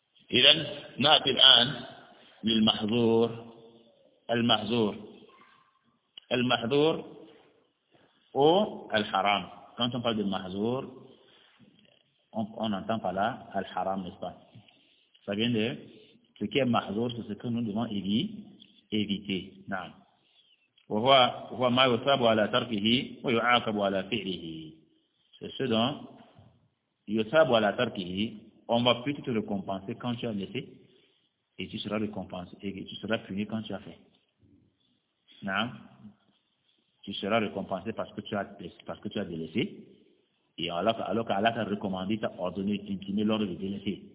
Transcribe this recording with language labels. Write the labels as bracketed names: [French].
[Arabic] Idan na'ti al-an للمحظور المحظور المحظور او الحرام. [French] Quand on parle de mahzour, on entend par là al haram, n'est-ce pas? Ça vient de ce qui est mahzour, c'est ce que nous devons éviter. [Arabic] Naam. وهو ما يثاب على تركه ويعاقب على فعله. [French] C'est ce dont [Arabic] يثاب على تركه, [French] on va plutôt te récompenser quand tu as laissé. Et tu seras récompensé, et tu seras puni quand tu as fait. Non? Tu seras récompensé parce que tu as délaissé. Et alors qu'Allah t'a recommandé, t'a ordonné, t'intimé l'ordre de délaisser.